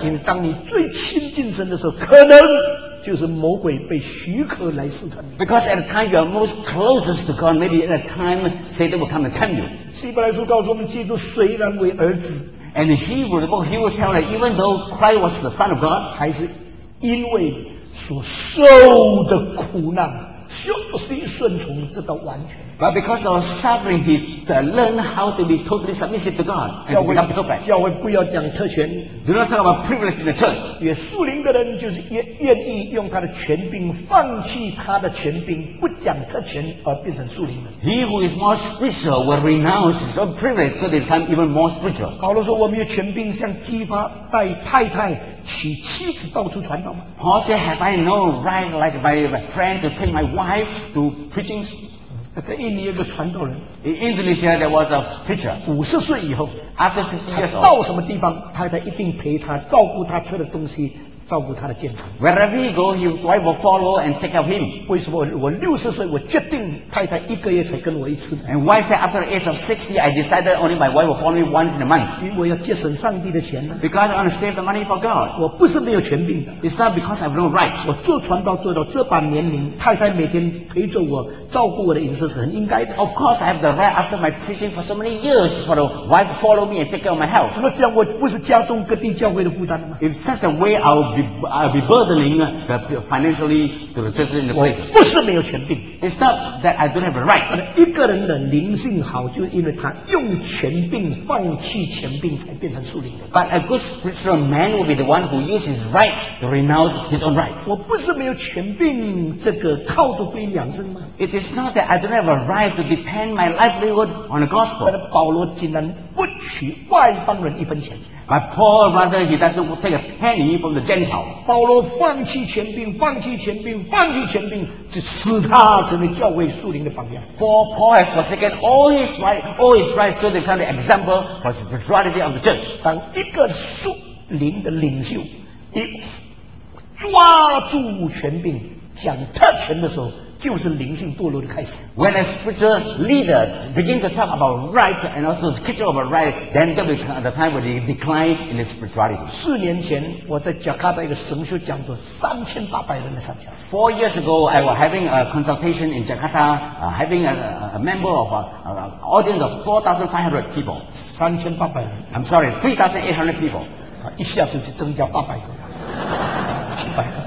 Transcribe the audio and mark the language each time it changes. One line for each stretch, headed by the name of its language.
Chinese: 因为当你最亲近神的时候，可能就是魔鬼被许可来试探你。
English: Because at the time you are most closest to God, maybe at a time Satan will come and tempt you.
Chinese: 希伯来书告诉我们，基督虽然为儿子
English: ，and Hebrew the book he will tell that even though Christ was the Son of God,
Chinese: 还是因为所受的苦难，学习顺从这个完全。
English: But because of suffering, he learned how to be totally submissive to God and become perfect.
Chinese: 教会不要讲特权。
English: Do not talk about privilege in the church.
Chinese: 也属灵的人就是愿意用他的权柄，放弃他的权柄，不讲特权而变成属灵的。
English: He who is more spiritual will renounce his own privilege so they become even more spiritual.
Chinese: 保罗说：“我们有权柄向基法带太太、娶妻子到处传道吗？”
English: Paul said, "Have I no right, like my friend, to take my wife to preachings?"
Chinese: 在印尼有个传道人
English: ，In Indonesia there was a preacher.
Chinese: 50岁以后
English: ，After 50 years old,
Chinese: 到什么地方，太太一定陪他，照顾他吃的东西，照顾他的健康。
English: Wherever he go, his wife will follow and take care of him.
Chinese: 为什么我60岁，我决定太太一个月才跟我一次
English: ？And why is that after the age of 60, I decided only my wife will follow me once in a month?
Chinese: 因为我要节省上帝的钱呢。
English: Because I want to save the money for God.
Chinese: 我不是没有权柄的。
English: It's not because I have no right.
Chinese: 我做传道做到这把年龄，太太每天陪着我。照顾我的隐私是很应该的。
English: Of course, I have the right after my preaching for so many years for the wife to follow me and take care of my health.
Chinese: 那这样我不是加重各地教会的负担吗
English: ？In such a way, I'll be burdening the financially to the churches in the places.
Chinese: 不是没有权柄。
English: It's not that I don't have a right.
Chinese: 一个人的灵性好，就是因为他用权柄放弃权柄才变成属灵的。
English: But a good spiritual man will be the one who uses his right to renounce his own right.
Chinese: 我不是没有权柄，这个靠着福音养生吗
English: It's not that I don't have a right to depend my livelihood on the gospel.
Chinese: 但保罗竟然不取外邦人一分钱。
English: But Paul rather he doesn't take a penny from the Gentile.
Chinese: 保罗放弃权柄，放弃权柄，放弃权柄，是使他成为教会属灵的榜样。
English: For Paul has forsaken all his rights, so they become the example for the spirituality of the church.
Chinese: 当一个属灵的领袖，一抓住权柄讲特权的时候。就是灵性堕落的开始。
English: When a spiritual leader begins to talk about right and also teach about right, then that will be the time when they decline in the spirituality.
Chinese: 四年前，我在加拉大一个神学讲座，3800人来参加。
English: Four years ago, I was having a consultation in Jakarta, having a member of an audience of 4,500 people.
Chinese: 3800人。
English: I'm sorry, 3,800 people.
Chinese: 一下子就增加800个，700。